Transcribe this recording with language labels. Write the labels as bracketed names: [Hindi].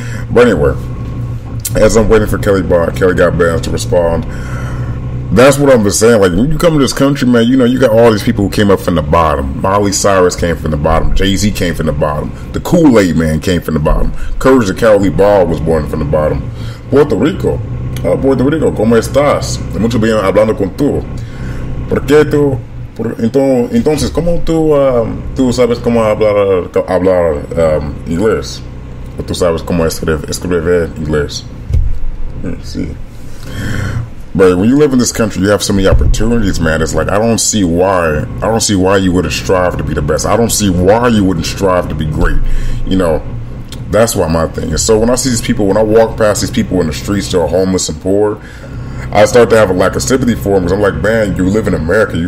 [English] But anyway, as I'm waiting for Kelly got bands to respond, that's what I'm just saying. Like, when you come to this country, man, you know, you got all these people who came up from the bottom. Miley Cyrus came from the bottom. Jay-Z came from the bottom. The Kool-Aid Man came from the bottom. Courage the Cowardly Ball was born from the bottom. [Spanish] Puerto Rico. Oh, Puerto Rico. ¿Cómo estás? Mucho bien hablando con tú. ¿Por qué tú? Entonces, ¿cómo tú sabes cómo hablar inglés? ¿O tú sabes cómo escribir inglés? Sí. [English] But when you live in this country, you have so many opportunities, man. It's like, I don't see why you wouldn't strive to be the best. I don't see why you wouldn't strive to be great. You know, that's why my thing is. So when I see these people, when I walk past these people in the streets that are homeless and poor, I start to have a lack of sympathy for them. Because I'm like, man, you live in America.